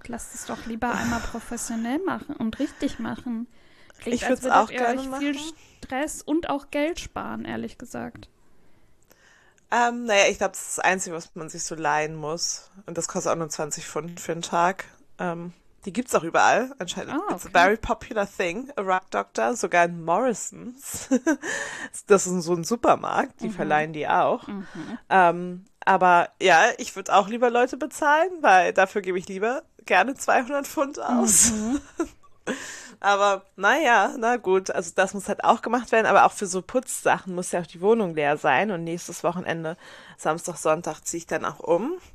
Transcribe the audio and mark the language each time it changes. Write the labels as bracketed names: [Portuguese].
[German] Lasst es doch lieber einmal professionell machen und richtig machen. Klingt, ich würde es auch gerne machen. Viel Stress und auch Geld sparen, ehrlich gesagt. Naja, ich glaube, das ist das Einzige, was man sich so leihen muss. Und das kostet auch nur 20 Pfund für einen Tag. Die gibt's auch überall, anscheinend. Oh, okay. [English] It's a very popular thing, a Rug Doctor, [German] sogar in Morrisons. Das ist so ein Supermarkt, die verleihen die auch. Mhm. Aber ja, ich würde auch lieber Leute bezahlen, weil dafür gebe ich lieber gerne 200 Pfund aus. Mhm. Aber naja, na gut, also das muss halt auch gemacht werden, aber auch für so Putzsachen muss ja auch die Wohnung leer sein und nächstes Wochenende, Samstag, Sonntag, ziehe ich dann auch um.